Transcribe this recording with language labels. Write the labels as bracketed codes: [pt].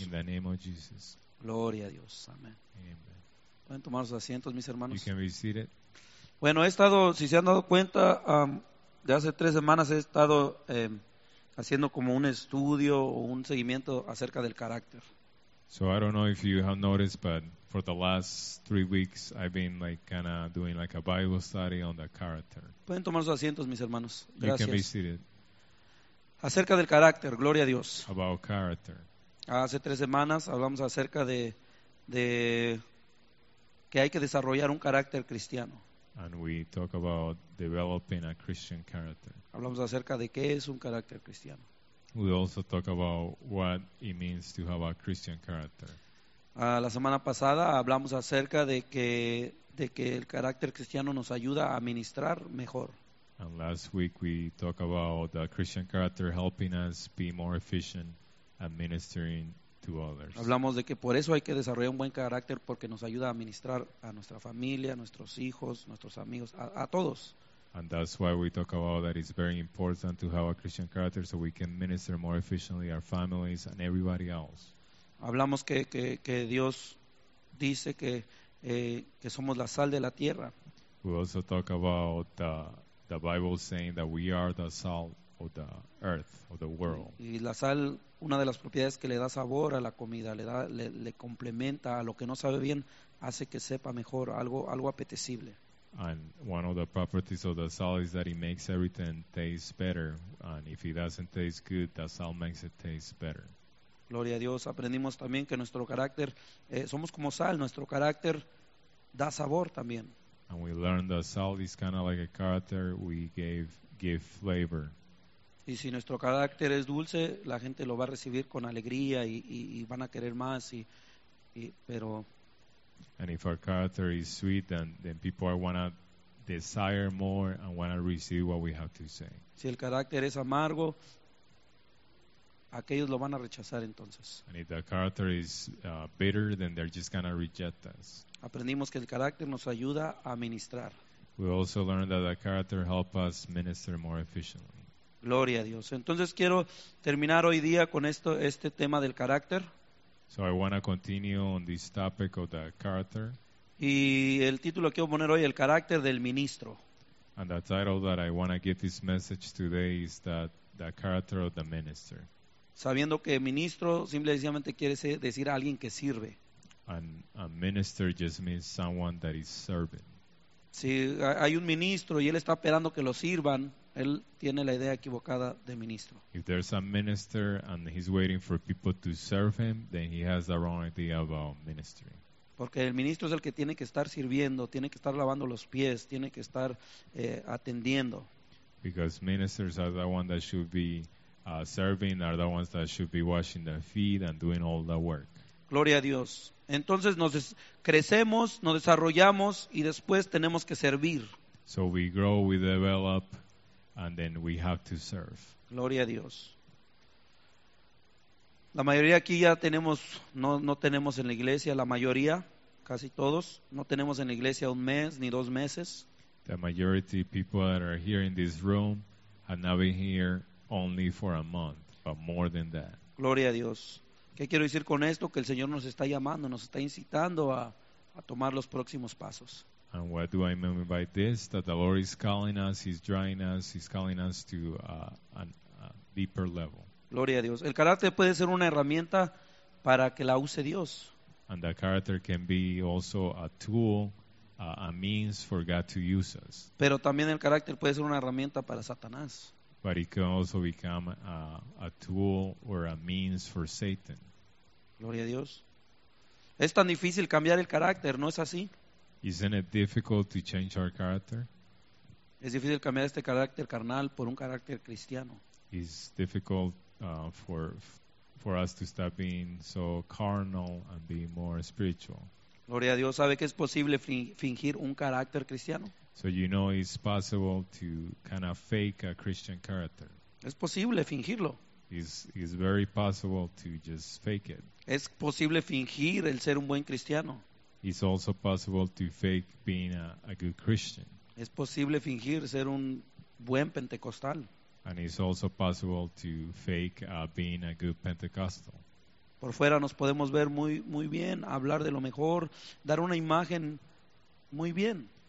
[en] In the name of Jesus. [es] Gloria a Dios. Amén. Pueden tomar sus asientos, mis hermanos. [en] You can visit it. [es] Bueno, he estado, si se han dado cuenta, de hace 3 semanas he estado haciendo como un estudio o un seguimiento acerca del carácter. [en] So I don't know if you have noticed, but for the last 3 weeks, I've been like kind of doing like a Bible study on the character. [es] Pueden tomar sus asientos, mis hermanos. Gracias. [en] You can be seated. [es] Acerca del carácter, gloria a Dios. [en] About character. [es] Hace 3 semanas hablamos acerca de que hay que desarrollar un carácter cristiano. [en] And we talk about developing a Christian character. [es] Hablamos acerca de qué es un carácter cristiano. [en] We also talk about what it means to have a Christian character. [es] La semana pasada hablamos acerca de que el carácter cristiano nos ayuda a ministrar mejor. [en] And last week we talked about the Christian character helping us be more efficient at ministering to others. [es] Hablamos de que por eso hay que desarrollar un buen carácter, porque nos ayuda a ministrar a nuestra familia, a nuestros hijos, a nuestros amigos, a todos. [en] And that's why we talk about that it's very important to have a Christian character so we can minister more efficiently our families and everybody else. [es] Hablamos que Dios dice que somos la sal de la tierra. [en] We also talk about the Bible saying that we are the salt of the earth, of the world. [es] Y la sal, una de las propiedades que le da sabor a la comida, le complementa a lo que no sabe bien, hace que sepa mejor, algo apetecible. [en] And one of the properties of the salt is that it makes everything taste better. And if it doesn't taste good, the salt makes it taste better. [es] Gloria a Dios. Aprendimos también que nuestro carácter, somos como sal. Nuestro carácter da sabor también. [en] And we learned that salt is kind of like a character. We give flavor. [es] Y si nuestro carácter es dulce, la gente lo va a recibir con alegría y van a querer más. Pero... [en] And if our character is sweet, then people are want to desire more and want to receive what we have to say. [es] Si el carácter es amargo, aquellos lo van a rechazar entonces. [en] And if the character is bitter, then they're just going to reject us. [es] Aprendimos que el carácter nos ayuda a ministrar. [en] We also learned that the character helps us minister more efficiently. [es] Gloria a Dios. Entonces quiero terminar hoy día con este tema del carácter. [en] So I want to continue on this topic of the character. [es] Y el título que voy a poner hoy, el carácter del ministro. [en] And the title that I want to give this message today is that the character of the minister. [es] Sabiendo que ministro simplemente quiere decir alguien que sirve. [en] And a minister just means someone that is serving. [es] Si hay un ministro y él está esperando que lo sirvan, él tiene la idea equivocada de ministro. [en] If there's a minister and he's waiting for people to serve him, then he has the wrong idea about ministry. [es] Porque el ministro es el que tiene que estar sirviendo, tiene que estar lavando los pies, tiene que estar atendiendo. [en] Because ministers are the ones that should be serving, are the ones that should be washing their feet and doing all the work. [es] Gloria a Dios. Entonces nos crecemos, nos desarrollamos y después tenemos que servir. [en] So we grow, we develop, and then we have to serve. [es] Gloria a Dios. La mayoría aquí ya tenemos, no tenemos en la iglesia, la mayoría, casi todos, no tenemos en la iglesia un mes ni dos meses. [en] The majority of people that are here in this room have not been here only for a month, but more than that. [es] Gloria a Dios. ¿Qué quiero decir con esto? Que el Señor nos está llamando, nos está incitando a tomar los próximos pasos. [en] And what do I mean by this? That the Lord is calling us, He's drawing us, He's calling us to a deeper level. [es] Gloria a Dios. El carácter puede ser una herramienta para que la use Dios. [en] And the character can be also a tool, a means for God to use us. [es] Pero también el carácter puede ser una herramienta para Satanás. [en] But it can also become a tool or a means for Satan. [es] Gloria a Dios. Es tan difícil cambiar el carácter, ¿no es así? [en] Isn't it difficult to change our character? [es] Es difícil cambiar este carácter carnal por un carácter cristiano. [en] It's difficult for us to stop being so carnal and be more spiritual. [es] Gloria a Dios, ¿sabe que es posible fingir un carácter cristiano? [en] So you know it's possible to kind of fake a Christian character. [es] Es posible fingirlo. [en] It's very possible to just fake it. [es] Es posible fingir el ser un buen cristiano. [en] It's also possible to fake being a good Christian. [es] Es posible fingir ser un buen pentecostal. [en] And it's also possible to fake being a good Pentecostal. [es] Por fuera nos podemos ver muy, muy bien, hablar de lo mejor, dar una imagen muy bien.